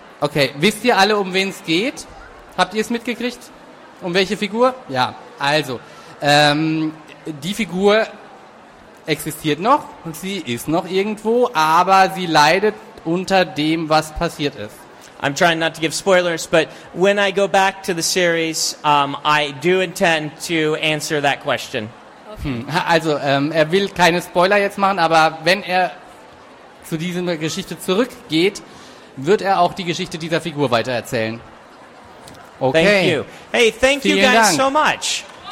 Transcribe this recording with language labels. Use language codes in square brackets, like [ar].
[de] Okay, wisst ihr alle, um wen es geht? Habt ihr es mitgekriegt? Um welche Figur? Ja, also, die Figur existiert noch, sie ist noch irgendwo, aber sie leidet unter dem, was passiert ist. [en] I'm trying not to give spoilers, but when I go back to the series, I do intend to answer that question. Okay. [de] Er will keine Spoiler jetzt machen, aber wenn er zu dieser Geschichte zurückgeht, wird er auch die Geschichte dieser Figur weitererzählen. [en] Okay. Thank you. Hey, thank [de] Vielen [en] you guys [de] Dank. [en] So much.